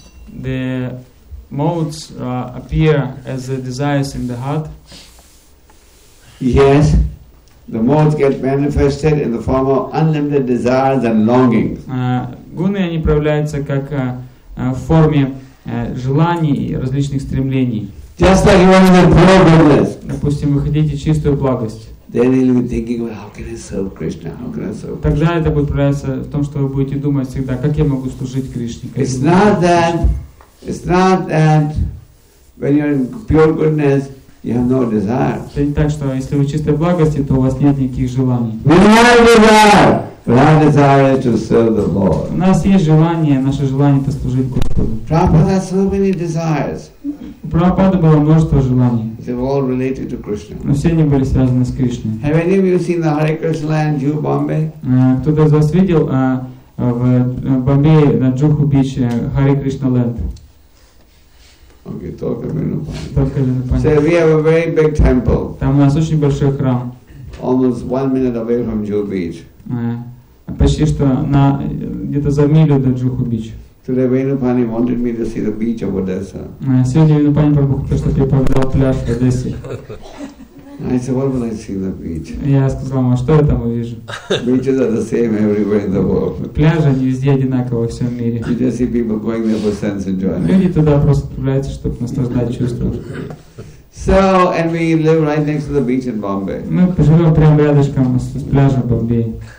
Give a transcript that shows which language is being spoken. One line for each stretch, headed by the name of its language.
English: The modes appear as the desires in the heart. Yes, the modes get manifested in the form of unlimited desires and longings.
Russian: Гуны они проявляются как в форме желаний и различных стремлений.
English: Just like you want to be pure goodness.
Russian: Допустим, вы хотите чистую благость.
English: Then you'll be thinking, well, how can I serve Krishna? How can I serve Krishna?
Russian: Тогда это будет проявляться в том, что вы будете думать всегда, как я могу служить Кришне.
English: It's not that when you're in pure goodness, you have no desire.
Russian: Это не так, что если вы чистой благости, то у вас нет никаких желаний.
English: We have desire, but our desire is to serve the Lord.
Russian: У нас есть желание, наше желание — это служить Господу.
English: Prabhupada has so many desires.
Russian: У Прабхупады было множество желаний.
English: They were all related to Krishna.
Russian: Но все они были связаны с Кришной.
English: Have any of you seen the Hare Krishna land, Jew, Bombay?
Russian: Кто-то из вас видел в Бомбее на Джуху Бич Hare Krishna land?
English: Okay, talk a minute. Talk a minute. So we have a very big temple.
Russian: Там у нас очень большой храм.
English: Almost 1 minute away from Jew Beach.
Russian: Почти что на где-то за милю до Джуху Бич.
English: Today Venupani wanted me to see the beach of Odessa.
Russian: Сегодня Венупани Прабху хотел, чтобы я повидал пляж в Одессе.
English: I said, what will I see the beach?
Russian: Я сказал ему, а что я там увижу?
English: Beaches are the same everywhere in the world.
Russian: Пляжи они везде одинаковы во всем мире.
English: You just see people going there for sense enjoyment.
Russian: Люди туда просто отправляются, чтобы наслаждать чувством.
English: So, and we live right next to the beach in Bombay.
Russian: Мы живем прямо рядышком с пляжем в Бомбее.